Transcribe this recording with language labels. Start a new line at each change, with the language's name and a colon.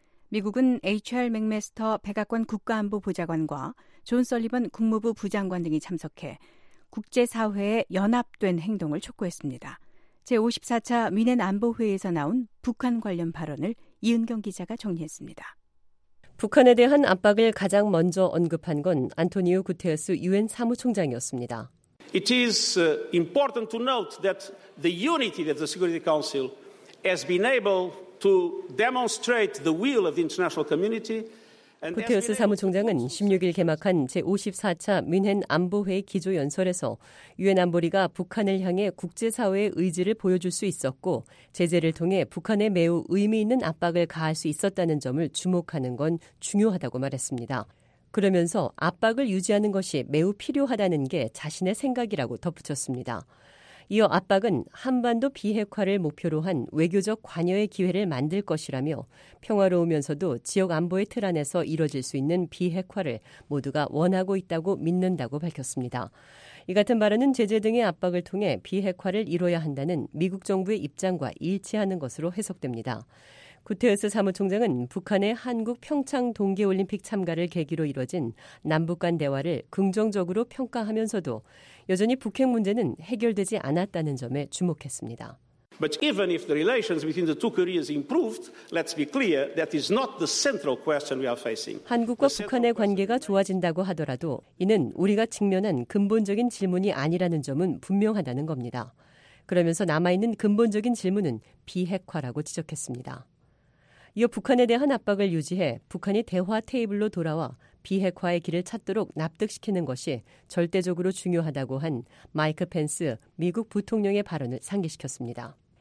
Korean: 미국은 H.R. 맥메스터 백악관 국가안보보좌관과 존 설리번 국무부 부장관 등이 참석해 국제사회에 연합된 행동을 촉구했습니다. 제54차 뮌헨 안보회의에서 나온 북한 관련 발언을 이은경 기자가 정리했습니다. 북한에 대한 압박을 가장 먼저 언급한 건 안토니오 구테스 유엔 사무총장이었습니다.
English: It is important to note that the unity of the Security Council has been able to demonstrate the will of the international community.
Korean: 구테스 사무총장은 16일 개막한 제54차 뮌헨 안보회의 기조 연설에서 유엔 안보리가 북한을 향해 국제사회의 의지를 보여줄 수 있었고 제재를 통해 북한에 매우 의미 있는 압박을 가할 수 있었다는 점을 주목하는 건 중요하다고 말했습니다. 그러면서 압박을 유지하는 것이 매우 필요하다는 게 자신의 생각이라고 덧붙였습니다. 이어 압박은 한반도 비핵화를 목표로 한 외교적 관여의 기회를 만들 것이라며 평화로우면서도 지역 안보의 틀 안에서 이뤄질 수 있는 비핵화를 모두가 원하고 있다고 믿는다고 밝혔습니다. 이 같은 발언은 제재 등의 압박을 통해 비핵화를 이뤄야 한다는 미국 정부의 입장과 일치하는 것으로 해석됩니다. 구테스 사무총장은 북한의 한국 평창 동계올림픽 참가를 계기로 이뤄진 남북 간 대화를 긍정적으로 평가하면서도 여전히 북핵 문제는 해결되지 않았다는 점에 주목했습니다.
English: But even if the relations between the two Koreas improved, let's be clear, that is not the central question we are facing.
Korean: 한국과 북한의 관계가 좋아진다고 하더라도 이는 우리가 직면한 근본적인 질문이 아니라는 점은 분명하다는 겁니다. 그러면서 남아있는 근본적인 질문은 비핵화라고 지적했습니다. 이어 북한에 대한 압박을 유지해 북한이 대화 테이블로 돌아와 비핵화의 길을 찾도록 납득시키는 것이 절대적으로 중요하다고 한 마이크 펜스 미국 부통령의 발언을 상기시켰습니다.